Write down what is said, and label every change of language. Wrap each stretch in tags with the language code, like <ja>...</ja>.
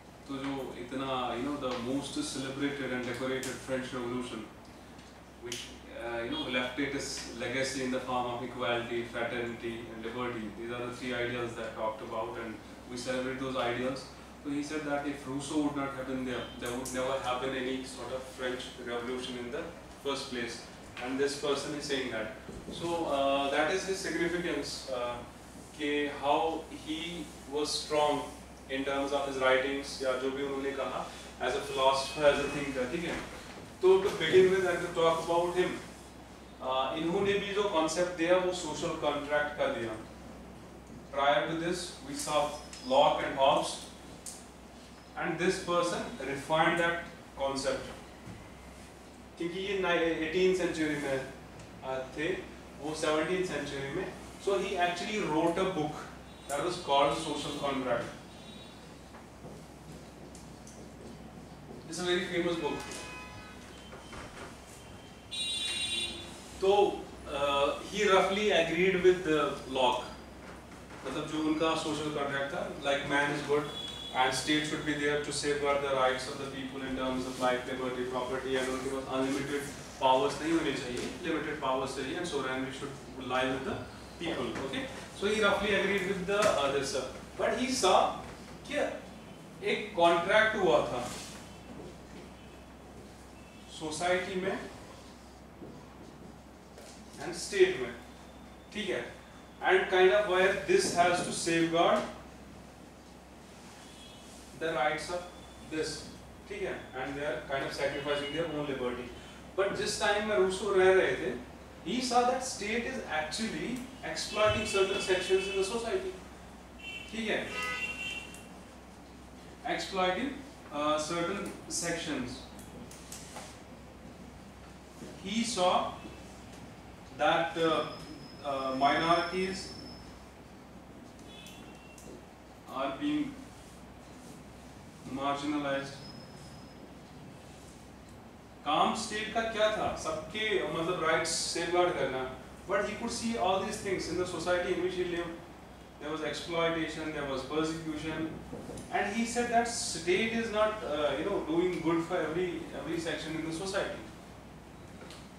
<hi>तो जो इतना</hi> <en>You know the most celebrated and decorated French Revolution which you know left its legacy in the form of equality fraternity and liberty these are the three ideas that talked about and We celebrate those ideals. So he said that if Rousseau would not have been there, there would never have been any sort of French Revolution in the first place. And this person is saying that. So that is his significance. Ke how he was strong in terms of his writings,</en> <hi>ya jo bhi unhone kaha,</hi> <en>as a philosopher, as a thinker.</en> <hi>ठीक है?</hi> <en>So to begin with, I have to talk about him.</en> <hi>इन्होंने भी जो concept दिया वो social contract का दिया.</hi> <en>Prior to this, we saw Locke and Hobbes, and this person refined that concept.</en> <hi>क्योंकि ये 18th century में थे, वो 17th century में,</hi> <en>so he actually wrote a book that was called Social Contract. It's a very famous book. तो he roughly agreed with Locke.</en> <hi>मतलब जो उनका</hi> <en>social contract था like man is good and state should be there to safeguard the rights of the people in terms of life liberty property and</en> <hi>उनके पास unlimited powers नहीं होने चाहिए limited powers चाहिए</hi> <en>and sovereign we should लाइ with the people okay so ही रफली agreed with the others but he saw</en> <hi>कि एक contract हुआ था सोसाइटी में एंड स्टेट में ठीक है</hi> <en>And kind of where this has to safeguard the rights of this,</en> <hi>ठीक है?</hi> <en>And they are kind of sacrificing their own liberty. But</en> <hi>जिस time में रूसो रह रहे थे,</hi> <en>he saw that state is actually exploiting certain sections in the society.</en> <hi>ठीक है,</hi> <en>exploiting certain sections. He saw that minorities are being marginalized.</en> <hi>काम state का क्या था, सबके मतलब राइट्स सेफगार्ड करना,</hi> <en>But he could see all these things in the society in which he lived, there was exploitation, there was persecution, and he said that state is not you know doing good for every section in the society.</en>